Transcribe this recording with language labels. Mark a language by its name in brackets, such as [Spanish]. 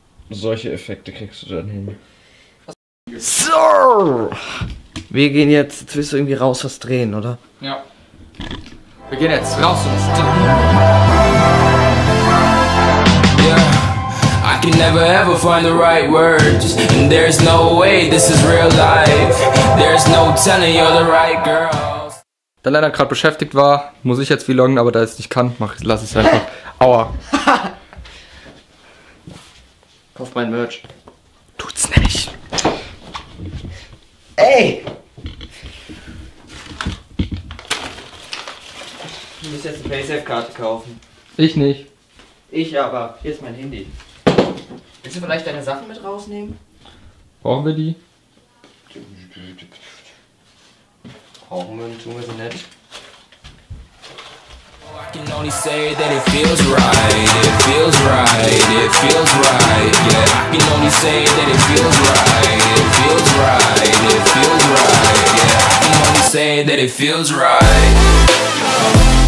[German] Solche Effekte kriegst du dann hin. So! Wir gehen jetzt, willst du irgendwie raus was drehen, oder? Ja. Wir gehen jetzt raus was drehen. [English] I can never ever find the right words. And there's no way this is real life. There's no telling you're the right girl. [German] Da Lena gerade beschäftigt war, muss ich jetzt vloggen, aber da es nicht kann, lass es einfach. Aua. Kauf mein Merch. Tut's nicht. Ey! Du musst jetzt eine PaySafe-Karte kaufen. Ich nicht. Ich aber. Hier ist mein Handy. Willst du vielleicht deine Sachen mit rausnehmen? Brauchen wir die? Brauchen wir, tun wir sie nicht. [English] I can only say that it feels right, it feels right, it feels right, yeah. I can only say that it feels right, it feels right, it feels right, yeah. I can only say that it feels right.